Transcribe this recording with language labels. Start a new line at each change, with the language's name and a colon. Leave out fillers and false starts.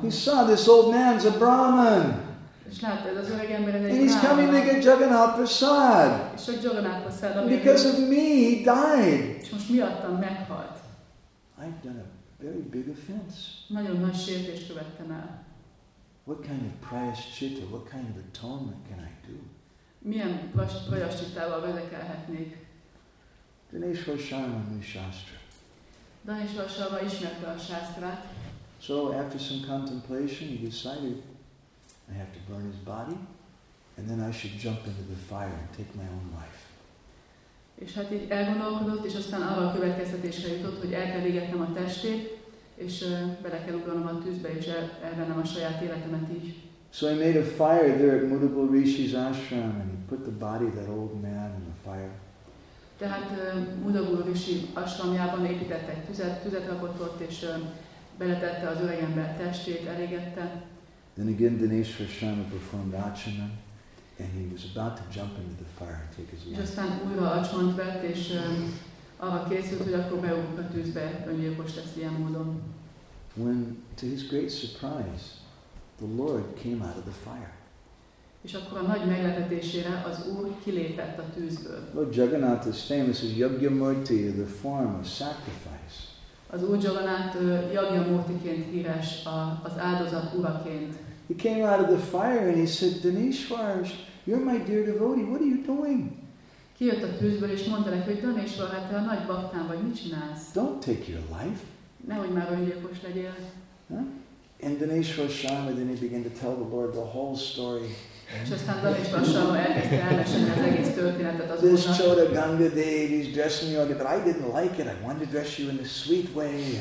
English: He saw this old man's a Brahmin. And he's coming to get Jagannath Prasad. Because of me, he died. I've done a very big offense. What kind of prayaschitta, what kind of atonement can I do?
Hungarian: Milyen prayaschittával vezekelhetnék?
English: Dinesh Prasad knew Shastra.
Hungarian: Dinesh Prasad ismerte a sásztrát.
English: So after some contemplation, he decided, I have to burn his body, and then I should jump into the fire and take my own life.
Hungarian: És hát így elgondolkodott, és aztán arra a következtetésre jutott, hogy el kell égetnem a testét, és bele kell ugranom a tűzbe, és elvennem a saját életemet így.
English: So he made a fire there at Mudubal Rishi's ashram, and he put the body of that old man in the fire.
Hungarian: Tehát Mudubal Rishi ashramjában épített egy tüzet rakott ott, és beletette az öreg ember testét, elégette.
English: Then again Dinesh Prasad performed achana. And he was about to jump into the fire and take his life.
Hungarian: Aztán újra acsont vett, és arra készült, hogy akkor beugrik a tűzbe, öngyilkos lesz ilyen módon.
English: When, to his great surprise, the Lord came out of the fire.
Hungarian: És akkor a nagy meglepetésére az Úr kilépett a tűzből.
English: Lord Jagannath is famous as Yagyamurti, the form of sacrifice.
Hungarian: Az Úr Jagannath Yagyamurtiként híres, az áldozat uraként.
English: He came out of the fire and he said, Dineshwar, you're my dear devotee, what are you doing?
Hungarian: Kijött a tűzből és mondta neki, hogy Dineshwar, hát te a nagy baktán vagy, mit csinálsz?
English: Don't take your life.
Hungarian: Nehogy már öngyilkos legyél. Huh?
English: And Dineshwar Sharma, then he began to tell the Lord the whole story.
Hungarian: És aztán Dineshwar Sharma elkezdte elmesélni az egész történetet az
English: This Chota Ganga Dev, he's dressing you, but I didn't like it, I wanted to dress you in a sweet way.